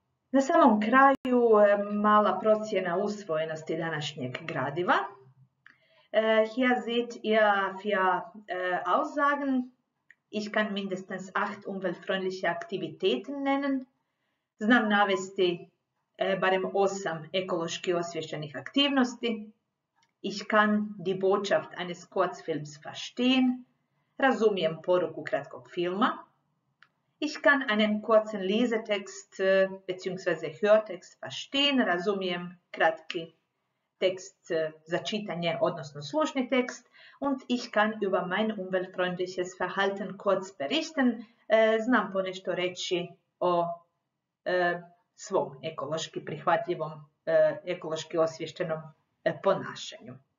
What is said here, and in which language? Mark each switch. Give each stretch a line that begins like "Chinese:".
Croatian: Na samom kraju mala procjena usvojenosti današnjeg gradiva.
German: Hier seht ihr vier Aussagen. Ich kann mindestens 8 umweltfreundliche Aktivitäten nennen.
Croatian: Znam navesti barem 8 ekološki osvješćenih aktivnosti.
German: Ich kann die Botschaft eines Kurzfilms verstehen.
Croatian: Razumijem poruku kratkog filma.
German: Ich kann einen kurzen Lesetext bzw. Hörtext verstehen.
Croatian: Razumijem kratki Text za čitanje, odnosno slušni tekst.
German: Und ich kann über mein umweltfreundliches Verhalten kurz berichten.
Croatian: Znam ponešto reći o svom ekološki prihvatljivom, ekološki osvješćenom ponašanju.